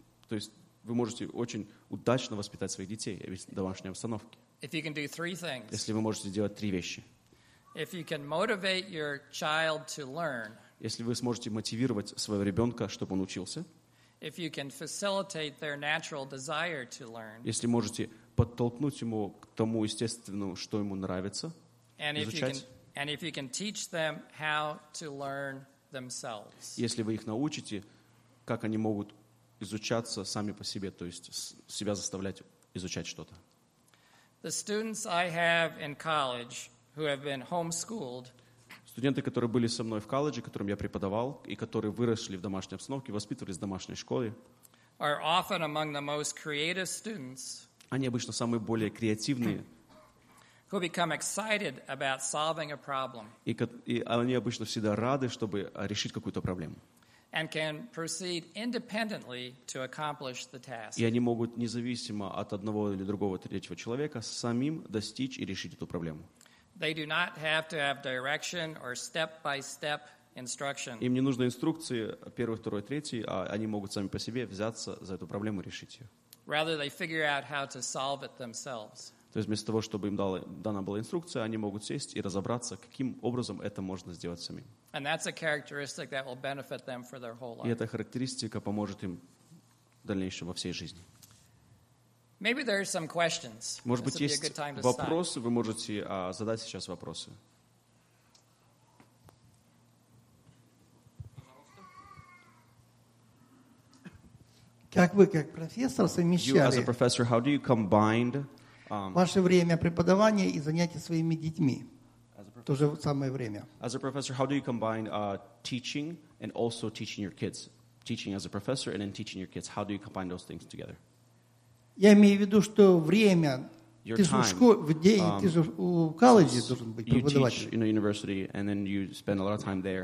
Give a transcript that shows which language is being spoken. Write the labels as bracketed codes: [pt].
[ru] Вы можете очень удачно воспитать своих детей в домашней обстановке. [en] If you can do three things. [ru] Если вы можете делать три вещи. [en] If you can motivate your child to learn. [ru] Если вы сможете мотивировать своего ребенка, чтобы он учился. [en] If you can facilitate their natural desire to learn. [ru] Если можете подтолкнуть ему к тому естественному, что ему нравится, изучать. Если вы их научите, как они могут изучаться сами по себе, то есть себя заставлять изучать что-то. [en] The students I have in college who have been homeschooled. [ru] Студенты, которые были со мной в колледже, которым я преподавал, и которые выросли в домашней обстановке, воспитывались в домашней школе, [en] are often among the most creative students. [ru] Они обычно самые более креативные. [en] Who become excited about solving a problem. [ru] И они обычно всегда рады, чтобы решить какую-то проблему. [en] And can proceed independently to accomplish the task. [ru] И они могут независимо от одного или другого третьего человека самим достичь и решить эту проблему. [en] They do not have to have direction or step-by-step instruction. [ru] Им не нужны инструкции, первый, второй, третий, а они могут сами по себе взяться за эту проблему и решить ее. [en] Rather, they figure out how to solve it themselves. [ru] То есть вместо того, чтобы им дана была инструкция, они могут сесть и разобраться, каким образом это можно сделать самим. [en] And that's a characteristic that will benefit them for their whole life. [ru] И эта характеристика поможет им в дальнейшем во всей жизни. [en] Maybe there are some questions. [ru] Может быть, есть вопросы? Вы можете задать сейчас вопросы. Как вы, как профессор, совмещали [en] you, as a professor, how do you combined, [ru] ваше время преподавания и занятия своими детьми в то же самое время? [en] As a professor, how do you combine teaching and also teaching your kids? Teaching as a professor and then teaching your kids. How do you combine those things together? [ru] Я имею в виду, что время, [en] your [ru] ты [en] time, [ru] же в день, ты же у колледжа должен быть преподаватель. [en] You teach in a university and then you spend a lot of time there.